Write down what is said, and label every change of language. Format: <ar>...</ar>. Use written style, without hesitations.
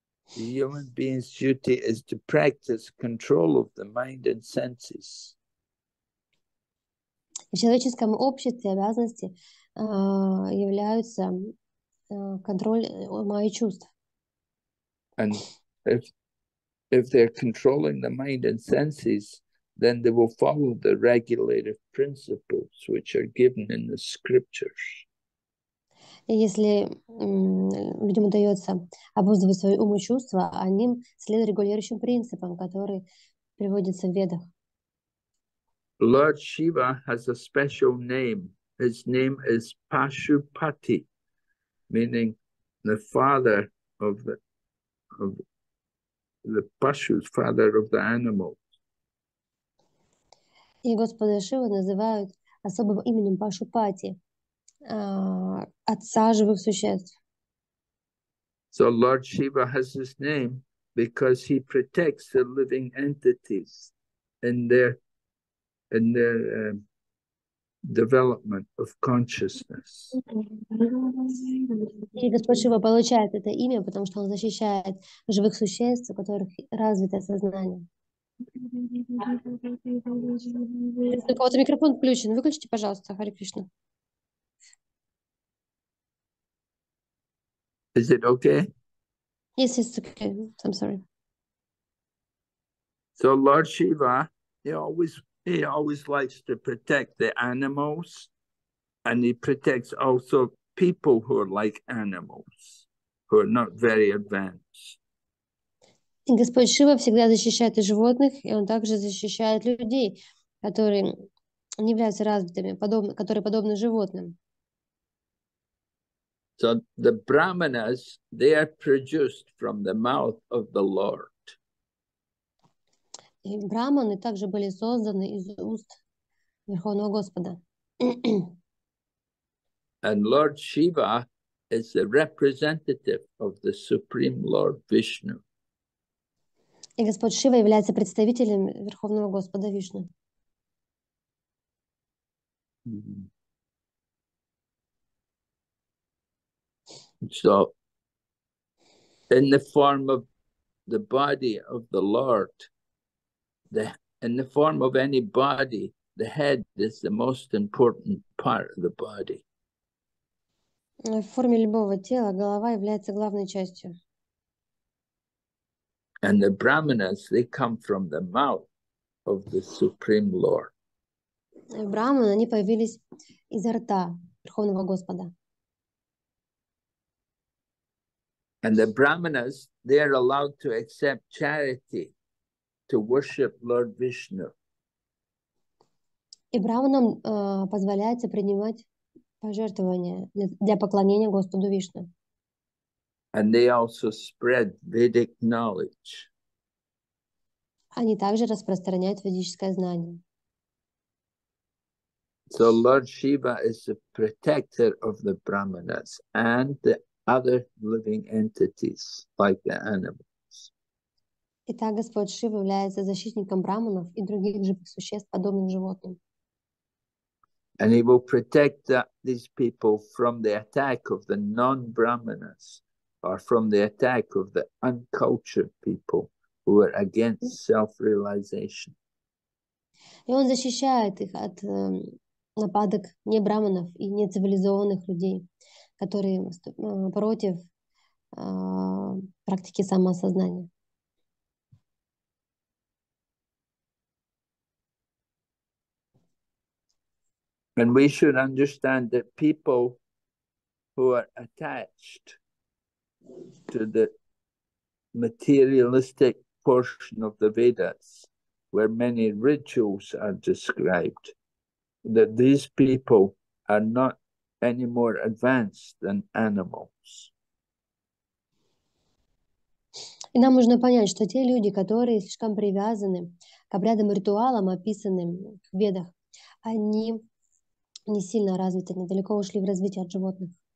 <en>Human beings' duty is to practice control of the mind and senses.</en> <ru>В человеческом обществе обязанности являются контроль ума и чувств.</ru> <en>And if they're controlling the mind and senses, then they will follow the regulative principles which are given in the scriptures.</en> <ru>Если людям удается обуздывать свои умы и чувства, они следуют регулирующим принципам, которые приводятся в ведах.</ru> <en>Lord Shiva has a special name. His name is Pashupati, meaning the father of the Pashus, father of the animals.</en> <ru>И Господа Шиву называют особым именем Пашупати, отца живых существ.</ru> <en>So Lord Shiva has his name because he protects the living entities in their development of consciousness.</en> <ru>И Господь Шива получает это имя, потому что он защищает живых существ, у которых развито сознание. Если у кого-то микрофон включен, выключите, пожалуйста, Хари Кришна.</ru> <en>Is it okay? Yes, it's okay. I'm sorry. So Lord Shiva, he always likes to protect the animals, and he protects also people who are like animals, who are not very advanced.</en> <ru>И Господь Шива всегда защищает и животных, и он также защищает людей, которые не являются развитыми, которые подобны животным.</ru> <en>So the brahmanas, they are produced from the mouth of the Lord.</en> <ru>И брахманы также были созданы из уст Верховного Господа.</ru> <en>And Lord Shiva is the representative of the Supreme Lord Vishnu.</en> <ru>И Господь Шива является представителем Верховного Господа Вишну.</ru> <en>So, in the form of the body of the Lord, in the form of any body, the head is the most important part of the body.</en> <ru>В форме любого тела голова является главной частью.</ru> <en>And the brahmanas, they come from the mouth of the Supreme Lord.</en> <ru>Брахманы, они появились изо рта Верховного Господа.</ru> <en>And the brahmanas, they are allowed to accept charity to worship Lord Vishnu.</en> <ru>И брахманам позволяется принимать пожертвования для поклонения Господу Вишну.</ru> <en>And they also spread Vedic knowledge.</en> <ru>Они также распространяют ведическое знание.</ru> <en>So Lord Shiva is the protector of the brahmanas and the other living entities, like the animals.</en> <ru>Итак, Господь Шива является защитником брахманов и других живых существ, подобным животным.</ru> <en>And he will protect these people from the attack of the non-brahmanas or from the attack of the uncultured people who are against self-realization.</en> <ru>И он защищает их от нападок не браманов и не цивилизованных людей, которые против практики самоосознания.</ru> <en>And we should understand that people who are attached to the materialistic portion of the Vedas, where many rituals are described, that these people are not any more advanced than animals.</en> <ru>И нам нужно понять, что те люди, которые слишком привязаны к обрядам и ритуалам, описанным в Ведах, они не сильно развиты, недалеко ушли в развитие от животных.</ru>